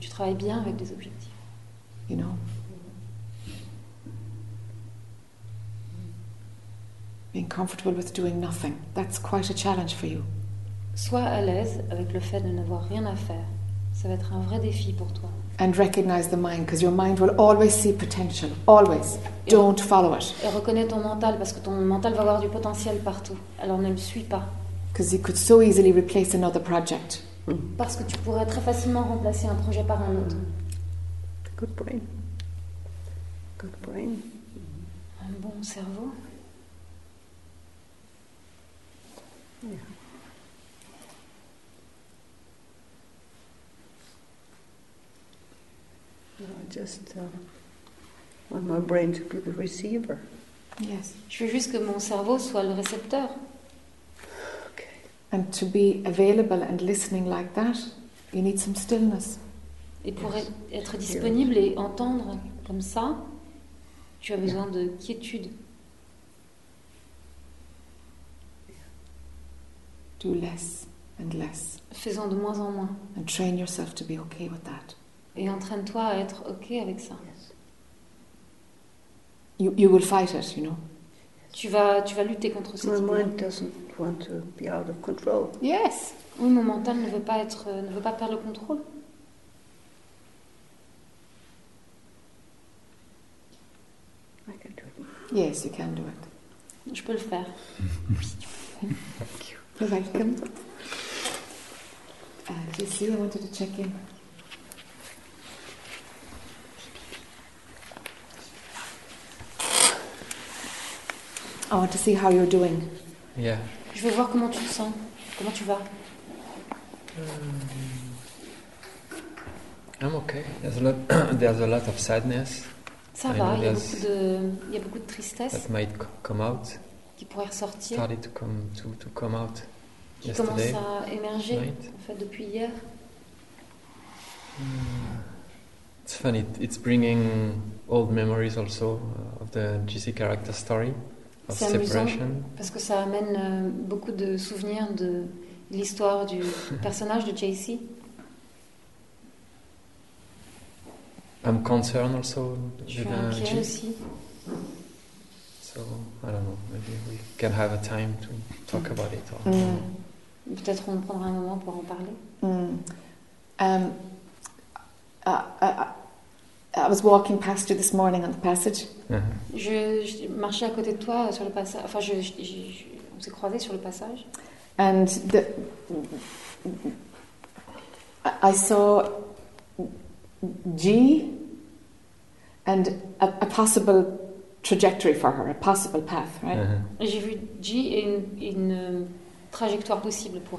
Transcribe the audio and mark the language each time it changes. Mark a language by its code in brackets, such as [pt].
[fr] Tu travailles bien avec des objectifs. [en] You know. Being comfortable with doing nothing. That's quite a challenge for you. [fr] Sois à l'aise avec le fait de n'avoir rien à faire. Ça va être un vrai défi pour toi. [en] And recognize the mind, because your mind will always see potential. Always. Don't follow it. [fr] Et reconnais ton mental, parce que ton mental va avoir du potentiel partout. Alors ne le suis pas. [en] Because you could so easily replace another project. [fr] Parce que tu pourrais très facilement remplacer un projet par un autre. [en] Good brain. Good brain. [fr] Un bon cerveau. [en] Yeah. I just want my brain to be the receiver. Yes. [fr] Je veux juste que mon cerveau soit le récepteur. [en] Okay. And to be available and listening like that, you need some stillness. [fr] Et pour être disponible et entendre comme ça, tu as besoin de quiétude. [en] Do less and less. [fr] Fais-en de moins en moins. [en] And train yourself to be okay with that. [fr] Et entraîne-toi à être okay avec ça. [en] Yes. You will fight it, you know. [fr] Tu vas lutter contre cette [en] idée. My mind doesn't want to be out of control. Yes. [fr] Oui, mon mental ne veut pas perdre le contrôle. [en] I can do it. Yes, you can do it. [fr] Je peux le faire. [en] Thank you. You're welcome. Just you, I wanted to check in. I want to see how you're doing. Yeah. [fr] Je veux voir comment tu te sens. Comment tu vas? [en] I'm okay. There's a lot of sadness. [fr] Ça va. Il y a beaucoup de tristesse. [en] That might come out. [fr] Qui pourrait ressortir. [en] Started to come out. [fr] Qui commence à émerger, en fait, depuis hier. [en] It's funny, it's bringing old memories also of the GC character story of [fr] c'est [en] separation. [fr] Amusant, parce que ça amène beaucoup de souvenirs de l'histoire du personnage de JC. [en] I'm concerned also. [fr] Je suis inquiet aussi. [en] So, I don't know, maybe we can have a time to talk about it all. [fr] Peut-être on prendra un moment pour en parler. [en] I was walking past you this morning on the passage. Mm-hmm. [fr] Je marchais à côté de toi sur le passage. Enfin, on s'est croisés sur le passage. [en] And I saw G and a possible trajectory for her, a possible path, right? [fr] Mm-hmm. J'ai vu G et une trajectoire possible pour